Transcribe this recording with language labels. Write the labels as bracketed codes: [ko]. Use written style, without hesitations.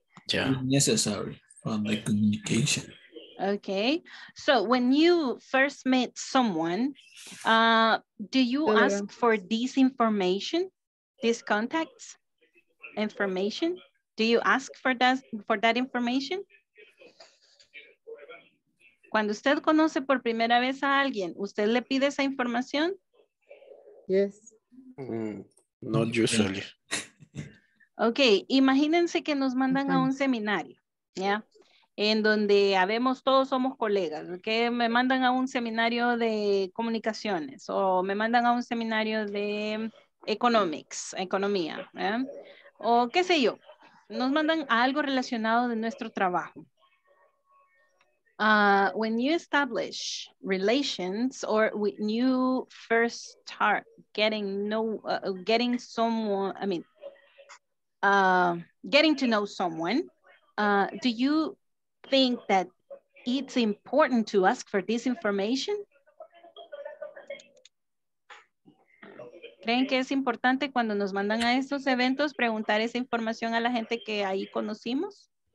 [en] Yeah. Necessary for the communication. Okay. So when you first meet someone, do you ask for this information, these contacts information? Do you ask for that information? [es] Cuando usted conoce por primera vez a alguien, ¿usted le pide esa información? [en] Yes. Not usually. [es] Okay, imagínense que nos mandan a un seminario, ¿ya? En donde habemos, todos somos colegas, que ¿okay? Me mandan a un seminario de comunicaciones o me mandan a un seminario de economía, ¿eh? O qué sé yo. Nos mandan a algo relacionado de nuestro trabajo. [en] When you establish relations or when you first start getting to know someone, do you think that it's important to ask for this information? [es] ¿Creen que es importante cuando nos mandan a estos eventos preguntar esa información a la gente que ahí conocimos?